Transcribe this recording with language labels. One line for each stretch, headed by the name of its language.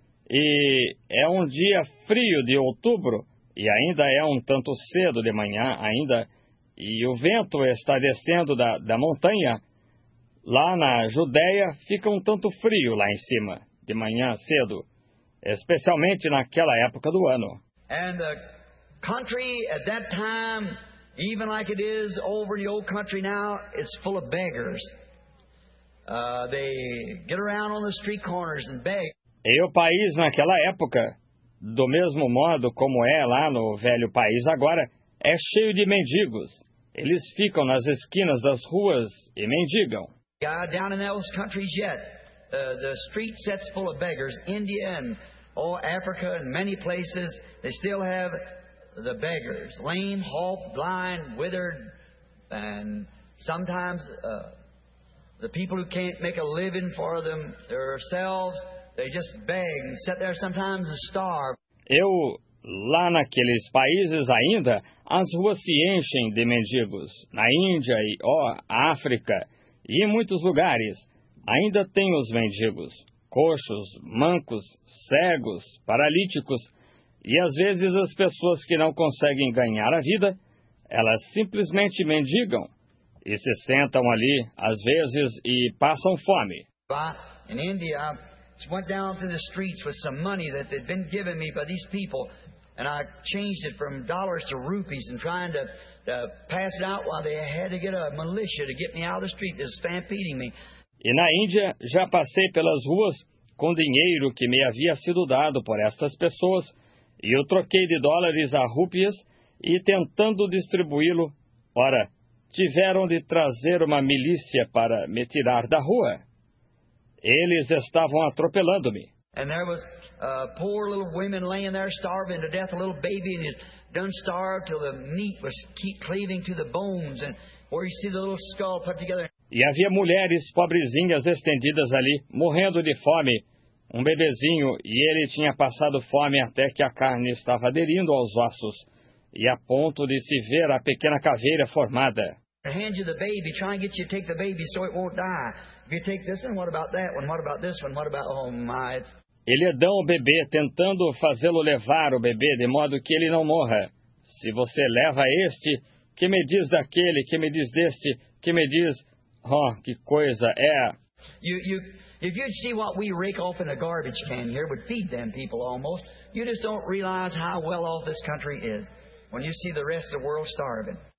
Portuguese: E é um dia frio de outubro, e ainda é um tanto cedo de manhã ainda, e o vento está descendo da montanha. Lá na Judeia fica um tanto frio lá em cima, de manhã cedo, especialmente naquela época do ano.
English: And the country at that time, even like it is over in the old country now, it's full of beggars. They get around on the street corners and beg.
Portuguese: E o país naquela época, do mesmo modo como é lá no velho país agora, é cheio de mendigos. Eles ficam nas esquinas das ruas e mendigam.
English: Yeah, down in those countries yet, the street sets full of beggars. India and all Africa and many places, they still have the beggars. Lame, halt, blind, withered, and sometimes the people who can't make a living for them themselves, they just beg and sit there sometimes and starve.
Portuguese: Eu, lá naqueles países ainda, as ruas se enchem de mendigos. Na Índia e África e em muitos lugares, ainda tem os mendigos. Coxos, mancos, cegos, paralíticos, e às vezes as pessoas que não conseguem ganhar a vida, elas simplesmente mendigam e se sentam ali, às vezes, e passam fome.
English: In India, I went down to the streets with some money that they'd been given me by these people, and I changed it from dollars to rupees and trying to pass it out while they had to get a militia to get me out of the street, they're stampeding me.
Portuguese: E na Índia, já passei pelas ruas com dinheiro que me havia sido dado por estas pessoas, e o troquei de dólares a rúpias, e tentando distribuí-lo, ora, tiveram de trazer uma milícia para me tirar da rua. Eles estavam atropelando-me.
English: And there was poor little women laying there starving to death, a little baby, and he'd done starved till the meat was keep cleaving to the bones, and where you see the little skull put together.
Portuguese: E havia mulheres pobrezinhas estendidas ali, morrendo de fome. Um bebezinho, e ele tinha passado fome até que a carne estava aderindo aos ossos, e a ponto de se ver a pequena caveira formada.
English: Hand you the baby, try and get you to take the baby so it won't die. If you take this one, what about that one? What about this one? What about, oh my.
Portuguese: Ele é dão o bebê, tentando fazê-lo levar o bebê, de modo que ele não morra. Se você leva este, que me diz daquele, que me diz deste, que me diz... Oh, que coisa é!
English: If you'd see what we rake off in a garbage can here would feed them people almost, you just don't realize how well off this country is when you see the rest of the world starving.